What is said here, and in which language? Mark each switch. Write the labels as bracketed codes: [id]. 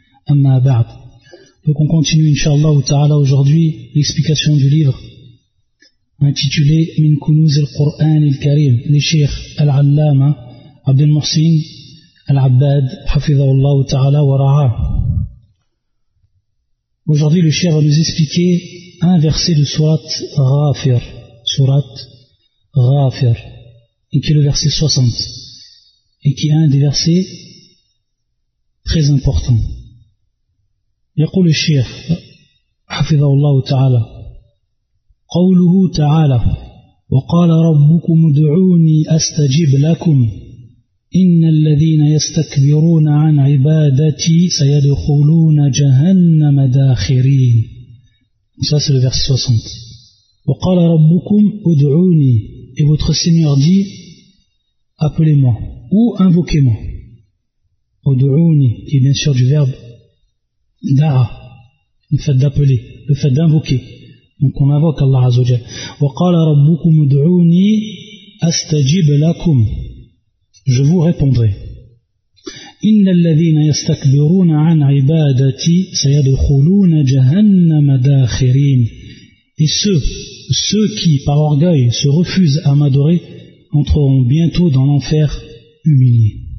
[ar] أما بعد، [fr] donc on continue inshallah ta'ala aujourd'hui l'explication du livre intitulé [ar] من كنوز القرآن الكريم للشيخ العلامة عبد المحسن العباد حفظه الله تعالى ورعاه. [fr] Aujourd'hui le cheikh va nous expliquer un verset de sourate Ghafir, et qui est le verset 60, et qui est un des versets très importants. [ar] يقول الشيخ حفظه الله تعالى قوله تعالى وقال ربكم ادعوني استجب لكم إن الذين يستكبرون عن عبادتي سيدخلون جهنم داخرين. [fr] Ça c'est le verset 60. [ar] وقال ربكم ادعوني, [fr] et votre Seigneur dit appelez-moi ou invoquez-moi. ادعوني, qui est bien sûr du verbe da'a, le fait d'appeler, le fait d'invoquer. Donc on invoque Allah Azza wa Jal. [ar] وقال ربكم ادعوني استجب لكم, [fr] je vous répondrai. [ar] إن الذين يستكبرون عن عبادتي سيدخلون جهنم داخرين. [fr] Et ceux qui, par orgueil, se refusent à m'adorer, entreront bientôt dans l'enfer humilié.